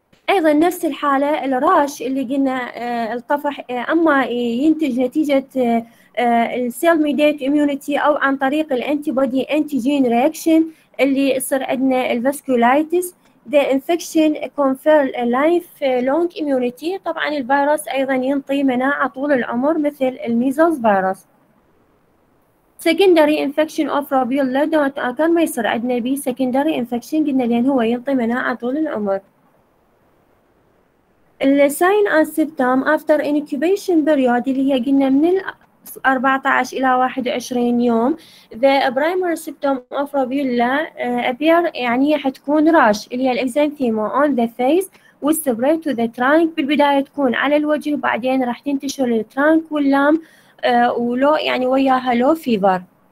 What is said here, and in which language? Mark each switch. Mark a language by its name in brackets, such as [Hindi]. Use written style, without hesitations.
[Arabic] أيضا نفس الحالة الراش اللي قلنا الطفح أما ينتج نتيجة السيل ميديت إميونيتي أو عن طريق الأنتيبودي أنتيجين ريأكشن اللي يصير عندنا الفاسكولايتس. [English] The infection confer a lifelong immunity. [Arabic] طبعا الفيروس ايضا ينطي مناعة طول العمر مثل الميزلز فيروس. [English] Secondary infection of rubella don't occur، [Arabic] ما يصير عندنا بي [English] secondary infection [Arabic] قلنا لان هو ينطي مناعة طول العمر. [English] The sign and symptom after incubation period [Arabic] اللي هي قلنا من 14 إلى 21 يوم [English] the primary symptom of rubella appear [Arabic] يعني حتكون راش اللي هي الإكزانثيما [English] on the face will spread to the trunk، [Arabic] بالبداية تكون على الوجه وبعدين راح تنتشر للترانك واللام ولو يعني وياها لو فيفر.